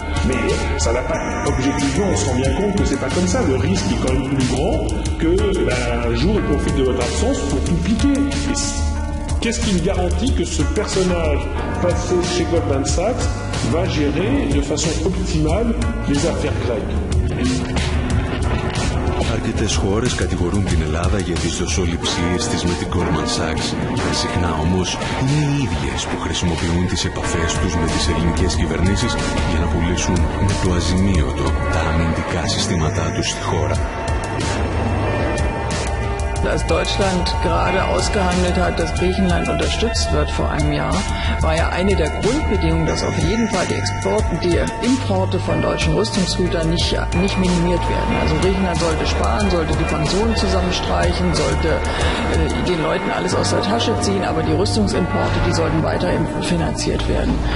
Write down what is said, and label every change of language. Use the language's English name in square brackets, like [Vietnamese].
[French] Mais ça n'a pas, objectivement, on se rend bien compte que c'est pas comme ça. Le risque est quand même plus grand que un jour il profite de votre absence pour tout piquer. Qu'est-ce qui me garantit que ce personnage passé chez Goldman Sachs va gérer de façon optimale les affaires grecques? [Greek] Αρκετές χώρες κατηγορούν την Ελλάδα για τις δοσοληψίες της με την Goldman Sachs. Συχνά όμως είναι οι ίδιες που χρησιμοποιούν τις επαφές τους με τις ελληνικές κυβερνήσεις για να πουλήσουν με το αζημίωτο τα αμυντικά συστήματά τους στη χώρα. [German] Als Deutschland gerade ausgehandelt hat, dass Griechenland unterstützt wird vor einem Jahr, war ja eine der Grundbedingungen, dass auf jeden Fall die Exporte, die Importe von deutschen Rüstungsgütern nicht minimiert werden. Also Griechenland sollte sparen, sollte die Pensionen zusammenstreichen, sollte den Leuten alles aus der Tasche ziehen, aber die Rüstungsimporte, die sollten weiter finanziert werden.